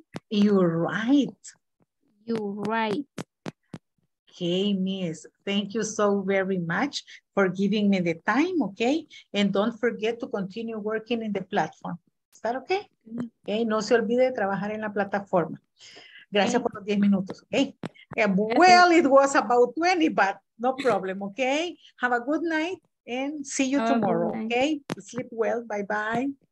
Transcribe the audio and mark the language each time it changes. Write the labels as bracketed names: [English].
[English] You're right. Okay, miss, thank you so very much for giving me the time. Okay, and don't forget to continue working in the platform. Is that okay? [Spanish] Okay, no se olvide de trabajar en la plataforma. Gracias por los 10 minutos, okay? [English] Well, it was about 20, but no problem, okay? Have a good night and see you tomorrow, okay? Sleep well. Bye-bye.